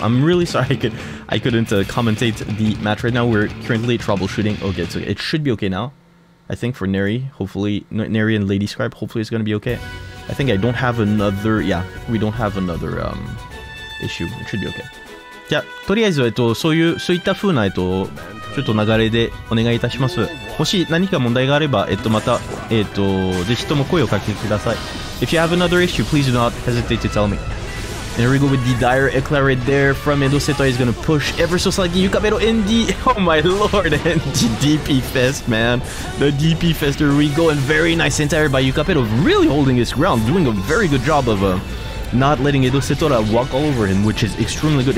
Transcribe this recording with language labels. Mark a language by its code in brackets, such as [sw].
[en] I'm really sorry I couldn't commentate the match right now. We're currently troubleshooting. Okay, so it should be okay now. I think for Nery, hopefully, Nery and Lady Scribe, hopefully it's going to be okay. I think I don't have another, yeah, we don't have another issue. It should be okay. [ja] じゃあ、とりあえず、そういった風な、ちょっと流れでお願いいたします。もし何か問題があれば、また、ぜひとも声をかけてください。 [en] If you have another issue, please do not hesitate to tell me. And here we go with the dire eclair right there from Edo Setora. He's gonna push ever so slightly. Yukapero in the. Oh my lord, and the DP Fest, man. The DP Fest, here we go. And very nice entire by Yukapero. Really holding his ground, doing a very good job of not letting Edo Setora walk all over him, which is extremely good.